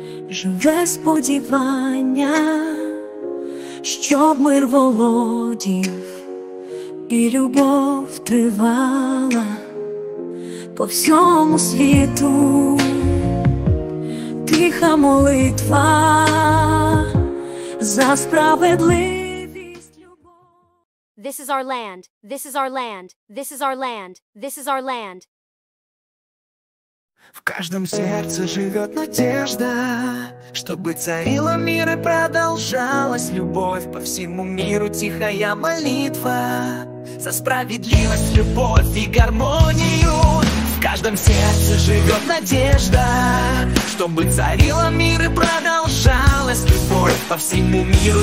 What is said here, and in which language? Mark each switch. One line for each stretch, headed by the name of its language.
Ukrainian: Живе сподівання, щоб мир володів і любов тривала по всьому світу. Тиха молитва за справедливість, любов.
English: This is our land, this is our land, this is our land, this is our land.
Russian: В каждом сердце живет надежда, чтобы царила мир и продолжалась любовь по всему миру. Тихая молитва за справедливость, любовь и гармонию. В каждом сердце живет надежда, чтобы царила мир и продолжалась любовь по всему миру.